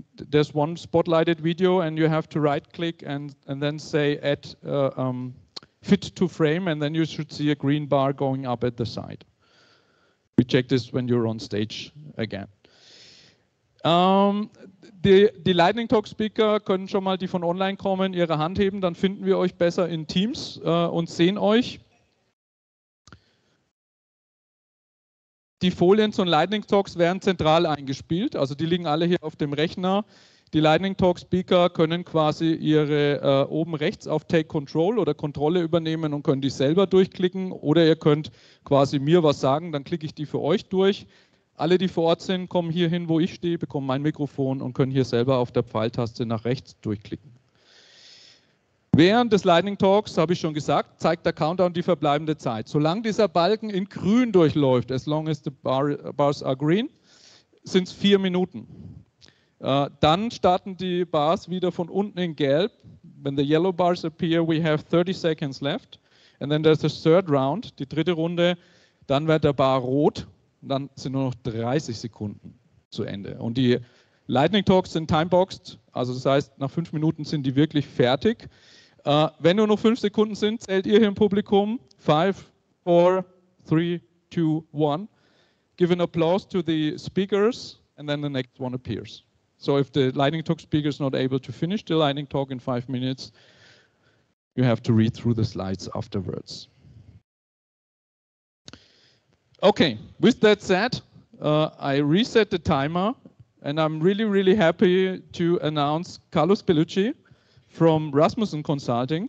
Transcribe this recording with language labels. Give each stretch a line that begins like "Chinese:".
English: There's one spotlighted video and you have to right click and then say add fit to frame and then you should see a green bar going up at the side. We check this when you're on stage again.
German: Die Lightning Talk Speaker können schon mal, die von online kommen, ihre Hand heben, dann finden wir euch besser in Teams und sehen euch. Die Folien zu den Lightning Talks werden zentral eingespielt, also die liegen alle hier auf dem Rechner. Die Lightning Talk Speaker können quasi ihre oben rechts auf Take Control oder Kontrolle übernehmen und können die selber durchklicken oder ihr könnt quasi mir was sagen, dann klicke ich die für euch durch. Alle, die vor Ort sind, kommen hier hin, wo ich stehe, bekommen mein Mikrofon und können hier selber auf der Pfeiltaste nach rechts durchklicken. Während des Lightning Talks, habe ich schon gesagt, zeigt der Countdown die verbleibende Zeit. Solange dieser Balken in grün durchläuft,
English: as long as the bars are green,
German: sind es 4 Minuten. Dann starten die Bars wieder von unten in gelb.
English: When the yellow bars appear, we have 30 seconds left. And then there's the third round,
German: die dritte Runde. Dann wird der Bar rot. Dann sind nur noch 30 Sekunden zu Ende. Und die Lightning Talks sind timeboxed. Also das heißt, nach 5 Minuten sind die wirklich fertig. Wenn nur noch 5 Sekunden sind, zählt ihr hier im Publikum 5, 4, 3, 2, 1.
English: Give an applause to the speakers and then the next one appears. So if the Lightning Talk speaker is not able to finish the Lightning Talk in 5 minutes, you have to read through the slides afterwards. Okay, with that said, I reset the timer and I'm really, really happy to announce Carlos Pellucci from Rasmussen Consulting.